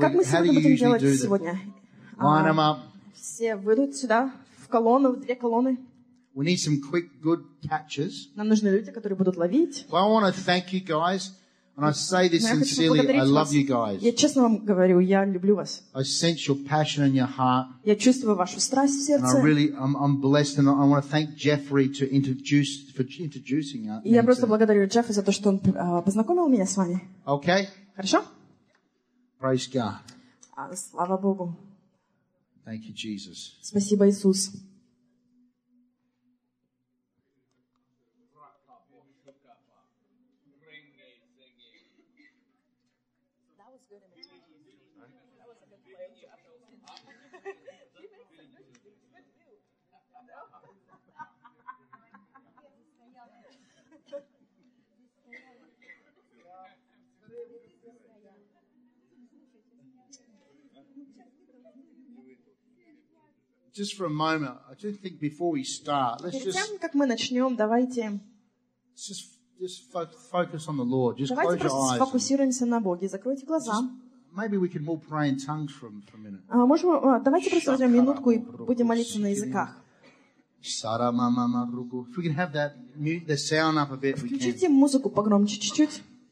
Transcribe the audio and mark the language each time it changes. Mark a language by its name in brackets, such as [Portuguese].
[Russian] как мы сегодня будем делать сегодня? [English] Line them up. [Russian] Все выйдут сюда, в колонну, в две колонны. [English] We need some quick, good catches. [Russian] Нам нужны люди, которые будут ловить. [English] Well, I want to thank you guys. And I say this sincerely, I love you guys. [Russian] Я честно вам говорю, я люблю вас. [English] I sense your passion in your heart. [Russian] Я чувствую вашу страсть в сердце. [English] And I'm blessed, and I want to thank Jeffrey for introducing us. [Russian] Я просто благодарю Джеффа за то, что он познакомил меня с вами. [English] Okay. [Russian] Хорошо? [English] Praise God. [Russian] Слава Богу. [English] Thank you, Jesus. [Russian] Спасибо, Иисус. [English] Just for a moment, I just think before we start, let's [Russian] перед [English] just. [Russian] Перед тем как мы начнем, давайте. [English] Just focus on the Lord. Just [Russian] давайте [English] close [Russian] просто [English] your eyes [Russian] сфокусируемся на Боге. Закройте глаза. Just, [English] maybe we can all pray in tongues for a minute. [Russian] Можем, давайте просто возьмем минутку и будем молиться на языках. [English] If we can have that mute the sound up a bit, we can. [Russian] Включите музыку погромче, чуть-чуть.